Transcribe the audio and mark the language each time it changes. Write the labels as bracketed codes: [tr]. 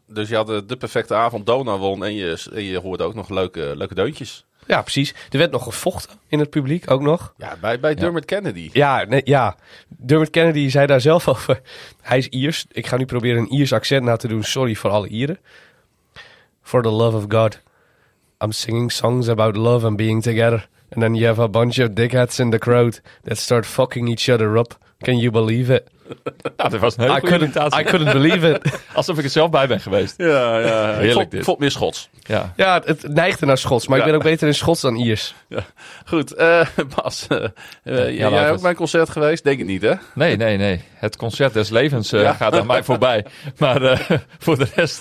[nl] Dus je had de perfecte avond, Donar won. En je hoorde ook nog leuke deuntjes. Ja, precies. Er werd nog gevochten in het publiek ook nog. Ja, bij Dermot Kennedy. Ja, nee, ja, Dermot Kennedy zei daar zelf over. Hij is Iers. Ik ga nu proberen een Iers accent na te doen. Sorry voor alle Ieren. [en] For the love of God, I'm singing songs about love and being together. And then you have a bunch of dickheads in the crowd that start fucking each other up. Can you believe it? [nl] Ja, dat was een hele [en] I couldn't believe it. [nl] Alsof ik er zelf bij ben geweest. Ja. Heerlijk dit. Vond meer Schots. Ja. Ja, het neigde naar Schots, maar ik ben ook beter in Schots dan Iers. Ja. Goed, Bas. Jij ook mijn concert geweest? Denk ik niet, hè? Nee. Het concert des levens gaat aan mij voorbij. Maar voor de rest...